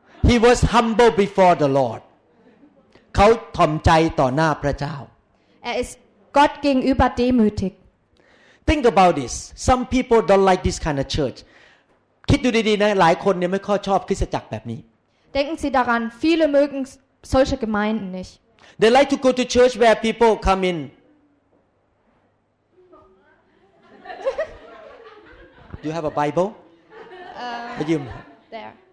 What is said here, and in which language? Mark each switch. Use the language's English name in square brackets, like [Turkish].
[English] He was humble before the Lord. [Thai] เขาถ่อมใจต่ [German] อ Er ist Gott gegenüber demütig. [English] Think about this. Some people don't like this kind of church. [Thai] คิดดูดีๆนะหลายคนเนี่ยไม่ค่อยชอบคริสตจักรแบบนี้ [German] Denken Sie daran, viele mögen solche Gemeinden nicht. [English] They like to go to church where people come in. Do you have a Bible? There.